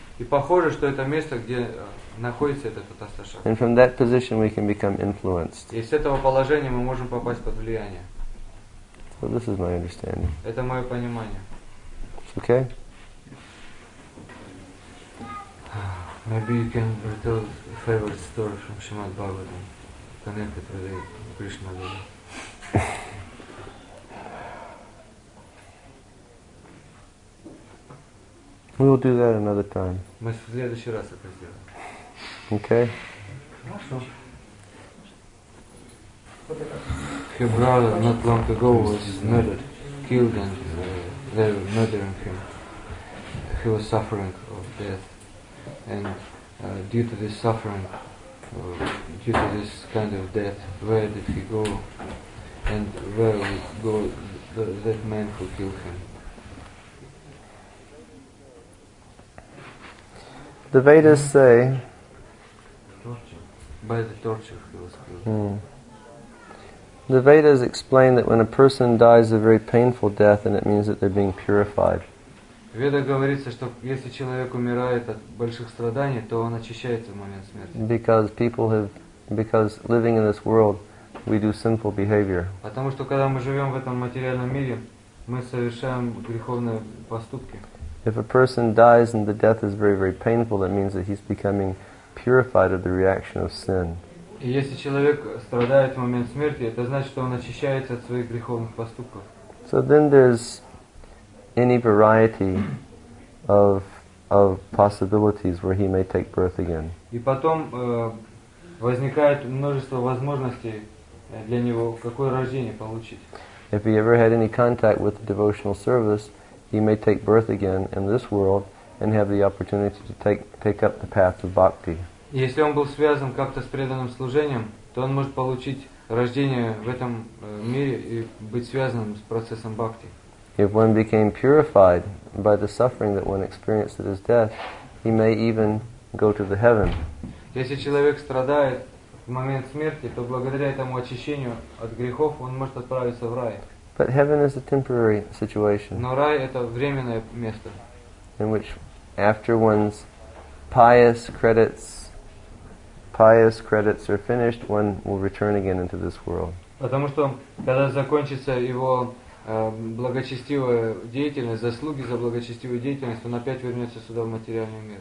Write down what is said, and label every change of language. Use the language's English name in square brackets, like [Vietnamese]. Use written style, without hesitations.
[Russian] И похоже, что это место, где находится этот Атасташа. [English] And from that position we can become influenced. [Russian] И с этого положения мы можем попасть под влияние. [English] So this is my understanding. [Russian] Это мое понимание. [English] Okay. Maybe you can tell a favorite story from Srimad Bhagavatam connected with the Krishna Guru. We will do that another time. [Russian] Мы в следующий раз это сделаем. [English] Okay. [Russian] Хорошо. [English] His brother not long ago was murdered, killed, and they were murdering him. He was suffering of death. And due to this suffering, due to this kind of death, where did he go? And where would go that man who killed him? The Vedas say... Torture. By the torture he was killed. Mm. The Vedas explain that when a person dies a very painful death, and it means that they're being purified. [Russian] В Ведах говорится, что если человек умирает от больших страданий, то он очищается в момент смерти. [English] Because people have, because living in this world, we do sinful behavior. [Russian] Потому что когда мы живем в этом материальном мире, мы совершаем греховные поступки. [English] If a person dies and the death is very, very painful, that means that he's becoming purified of the reaction of sin. [Russian] И если человек страдает в момент смерти, это значит, что он очищается от своих греховных поступков. [English] So then there's any variety of possibilities where he may take birth again. [Russian] И потом возникает множество возможностей для него, какое рождение получить. [English] If he ever had any contact with the devotional service, he may take birth again in this world and have the opportunity to take up the path of bhakti. [Russian] Если он был связан как-то с преданным служением, то он может получить рождение в этом мире и быть связанным с процессом бхакти. [English] If one became purified by the suffering that one experienced at his death, he may even go to the heaven. [Russian] Если человек страдает в момент смерти, то благодаря этому очищению от грехов он может отправиться в рай. [English] But heaven is a temporary situation. [Russian] Но рай это временное место. [English] In which, after one's pious credits are finished, one will return again into this world. [Russian] Потому что когда закончится его благочестивая деятельность, заслуги за благочестивую деятельность, он опять вернется сюда в материальный мир.